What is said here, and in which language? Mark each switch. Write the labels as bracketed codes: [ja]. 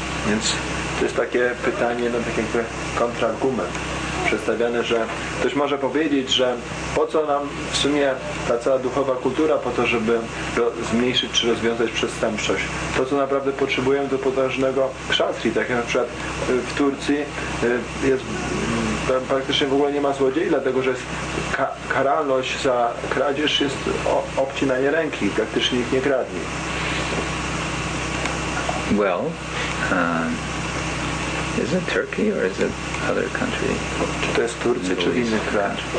[pl] Więc to jest takie pytanie, no tak jakby kontrargument przedstawiane, że ktoś może powiedzieć, że po co nam w sumie ta cała duchowa kultura, po to, żeby zmniejszyć czy rozwiązać przestępczość. To, co naprawdę potrzebujemy, to potężnego kshatri, tak jak na przykład w Turcji jest, tam praktycznie w ogóle nie ma złodziei, dlatego że karalność za kradzież jest obcinanie ręki, praktycznie nikt nie kradnie. [en] Well, is it Turkey or is it other country? [pl] Czy to jest Turcja, czy inny kraj?